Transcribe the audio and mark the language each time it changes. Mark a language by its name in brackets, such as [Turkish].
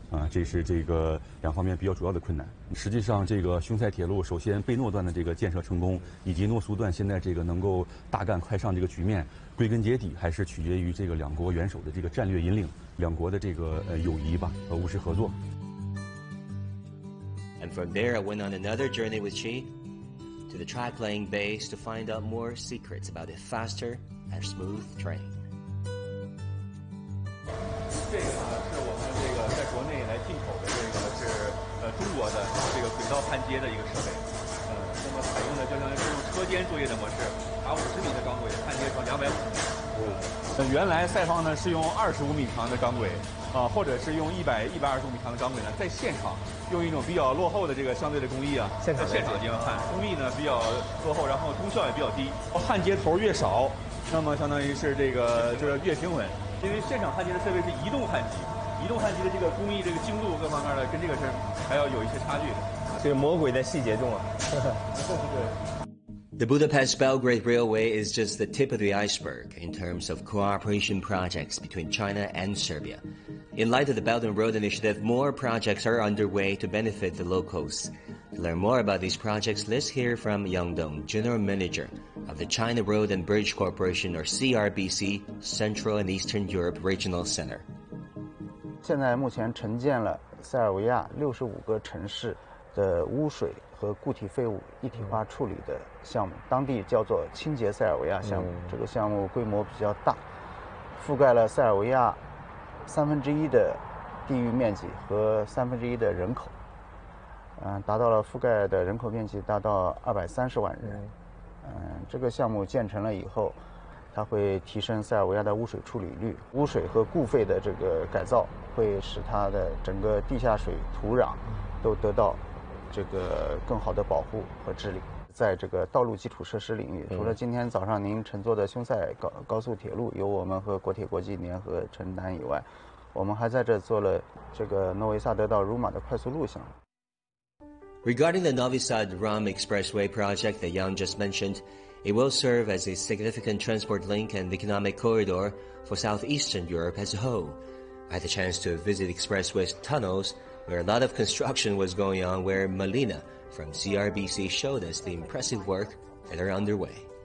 [Chinese] 这是这个两方面比较主要的困难。实际上，这个匈塞铁路首先贝诺段的这个建设成功，以及诺苏段现在这个能够大干快上这个局面，归根结底还是取决于这个两国元首的这个战略引领，两国的这个友谊吧和务实合作。 [English] And from there, I went on another journey with Chi to the track laying base to find out more secrets about a faster and smooth train. [Chinese] 这个是我们这个在国内来进口的这个是中国的这个轨道焊接的一个设备。那么采用的就相当于是车间作业的模式，把50米的钢轨焊接成250米。原来赛方呢是用25米长的钢轨，或者是用120米长的钢轨呢，在现场用一种比较落后的这个相对的工艺啊，在现场进行焊，工艺呢比较落后，然后功效也比较低，焊接头越少，那么相当于是这个就是越平稳，因为现场焊接的设备是移动焊机，移动焊机的这个工艺、这个精度各方面的跟这个是还要有一些差距的，所以魔鬼在细节中啊。对。 [English] The Budapest-Belgrade Railway is just the tip of the iceberg in terms of cooperation projects between China and Serbia. In light of the Belt and Road Initiative, more projects are underway to benefit the locals. To learn more about these projects, let's hear from Yang Dong, General Manager of the China Road and Bridge Corporation, or CRBC, Central and Eastern Europe Regional Center. [Chinese] 现在目前承建了塞尔维亚65个城市的污水和固体废物一体化处理的项目，当地叫做清洁塞尔维亚项目。这个项目规模比较大，覆盖了塞尔维亚1/3的地域面积和1/3的人口，达到了覆盖的人口面积达到230万人。这个项目建成了以后，它会提升塞尔维亚的污水处理率，污水和固废的这个改造会使它的整个地下水土壤都得到这个更好的保护和治理。在这个道路基础设施领域，除了今天早上您乘坐的匈塞高速铁路由我们和国铁国际联合承担以外，我们还在这做了这个诺维萨德到鲁马的快速路项目。 [English] Regarding the Novi Sad Rum Expressway project that Yang just mentioned, it will serve as a significant transport link and economic corridor for Southeastern Europe as a whole. I had the chance to visit expressway tunnels. Where a lot of construction was going on, where Melina from CRBC showed us the impressive work that are underway.